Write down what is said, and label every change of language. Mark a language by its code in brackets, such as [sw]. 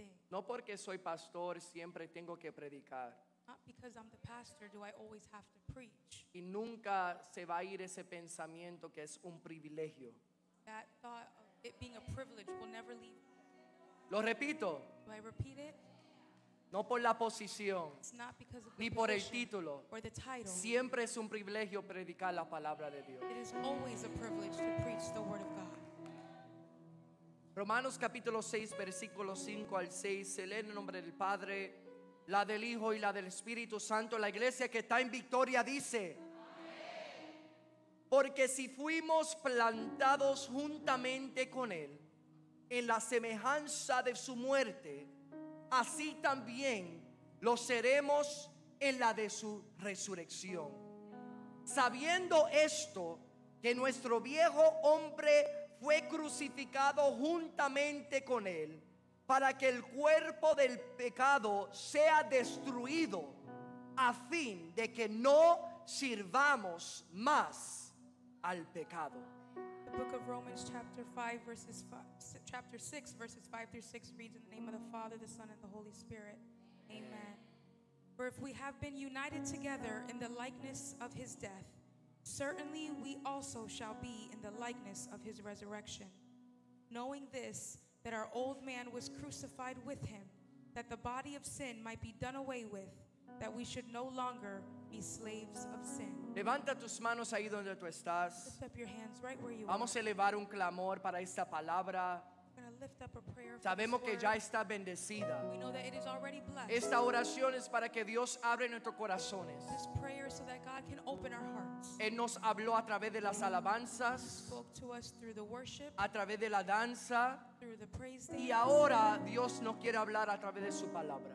[es] No porque soy pastor siempre tengo que predicar. [en] Not because I'm the pastor, do I always have to preach. [es] Y nunca se va a ir ese pensamiento que es un privilegio. [en] That thought of it being a privilege will never leave. [es] Lo repito. [en] Do I repeat it? [es] No por la posición, ni por el título. [en] Or the title. [es] Siempre es un privilegio predicar la palabra de Dios. [en] It is always a privilege to preach the word of God. [es] Romanos capítulo 6, versículos 5 al 6. Se lee en el nombre del Padre, la del Hijo y la del Espíritu Santo. La iglesia que está en victoria dice: porque si fuimos plantados juntamente con Él en la semejanza de su muerte, así también lo seremos en la de su resurrección. Sabiendo esto, que nuestro viejo hombre fue crucificado juntamente con él, para que el cuerpo del pecado sea destruido, a fin de que no sirvamos más al pecado. [en] The book of Romans chapter 5 verses 5, chapter 6 verses 5 through 6 reads, in the name of the Father, the Son, and the Holy Spirit. Amen. For if we have been united together in the likeness of his death, certainly we also shall be in the likeness of his resurrection. Knowing this, that our old man was crucified with him, that the body of sin might be done away with, that we should no longer be slaves of sin. [es] Levanta tus manos ahí donde tú estás. [en] Lift up your hands right where you [es] Vamos [en] are. [es] A elevar un clamor para esta palabra. [en] We're going to lift up a prayer. [es] Sabemos que ya está bendecida. [en] We know that it is already blessed. [es] Esta oración es para que Dios abra nuestros corazones. [en] This prayer is so that God can open our hearts. [es] Él nos habló a través de las alabanzas. [en] He spoke to us through the worship. [es] A través de la danza. [en] Through the praise dance. [es] Y ahora Dios nos quiere hablar a través de su palabra.